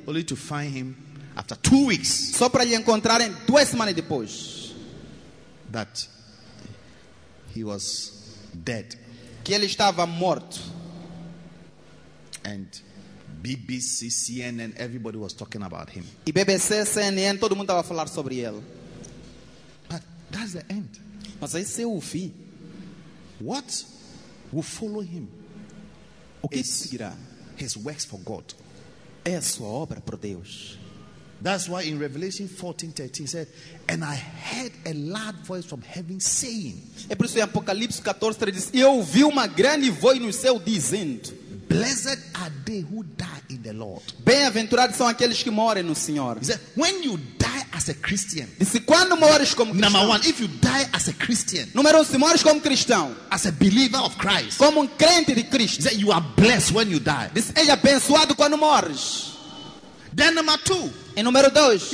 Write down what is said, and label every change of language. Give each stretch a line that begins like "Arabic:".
English: Only to find him after 2 weeks.
Portuguese: Só para lhe encontrarem 2 semanas depois.
English: That he was dead.
Portuguese: Que ele estava morto.
English: And BBC, CNN, everybody was talking about him.
Portuguese: E BBC, CNN, todo mundo estava a falar sobre ele.
English: But that's the end.
Portuguese: Mas esse é o fim.
English: What will follow him?
Portuguese: O que seguirá?
English: His works for God.
Portuguese: É a sua obra para Deus.
English: That's why in Revelation 14:13 said, "And I heard a loud voice from heaven saying."
Portuguese: É por isso em Apocalipse 14:13 diz, "Eu ouvi uma grande voz no céu dizendo."
English: Blessed are they who die in the Lord.
Portuguese: Bem-aventurados são aqueles que morrem no Senhor.
English: He said, when you die as a Christian.
Portuguese: Disse, quando morres como cristão.
English: Number one, if you die as a Christian.
Portuguese: Número 1, se morres como cristão.
English: As a believer of Christ.
Portuguese: Como crente de Cristo.
English: He said, you are blessed when you die.
Portuguese: Disse, é abençoado quando morres.
English: Then number 2.
Portuguese: E número 2.